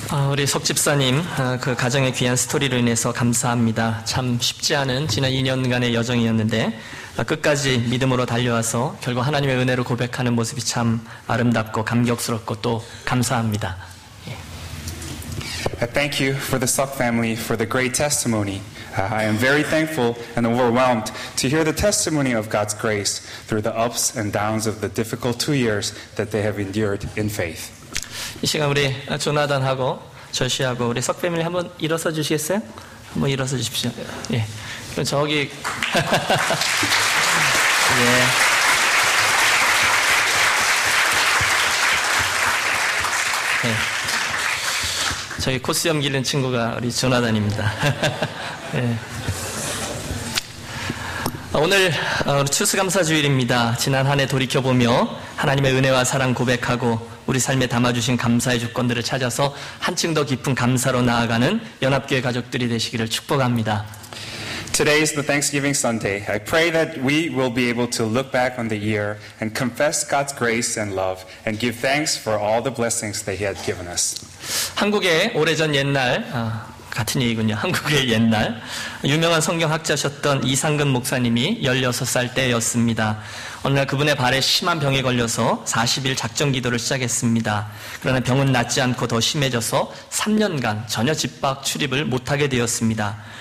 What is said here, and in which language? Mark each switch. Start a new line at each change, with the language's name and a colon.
Korean: 우리 석 집사님, 그 가정의 귀한 스토리로 인해서 감사합니다. 참 쉽지 않은 지난 2년간의 여정이었는데 끝까지 믿음으로 달려와서 결국 하나님의 은혜로 고백하는 모습이 참 아름답고 감격스럽고 또 감사합니다.
English: Thank you for the Suk family for the great testimony. I am very thankful and overwhelmed to hear the testimony of God's grace through the ups and downs of the difficult 2 years that they have endured in faith.
Korean: 이 시간 우리 조나단하고 저시하고 우리 석 패밀리 한번 일어서 주시겠어요? 한번 일어서 주십시오. 예. 그럼 저기 예. 예. 저기 코스 염기는 친구가 우리 조나단입니다. 예. 오늘 추수감사주일입니다. 지난 한 해 돌이켜보며 하나님의 은혜와 사랑 고백하고 우리 삶에 담아주신 감사의 주권들을 찾아서 한층 더 깊은 감사로 나아가는 연합교회 가족들이 되시기를 축복합니다.
English: Today is the Thanksgiving Sunday. I pray that we will be able to look back on the year and confess God's grace and love and give thanks for all the blessings that He had given us.
Korean: 한국의 오래전 옛날 같은 얘기군요. 한국의 옛날 유명한 성경학자셨던 이상근 목사님이 16살 때였습니다. 어느 날 그분의 발에 심한 병에 걸려서 40일 작정 기도를 시작했습니다. 그러나 병은 낫지 않고 더 심해져서 3년간 전혀 집 밖 출입을 못하게 되었습니다.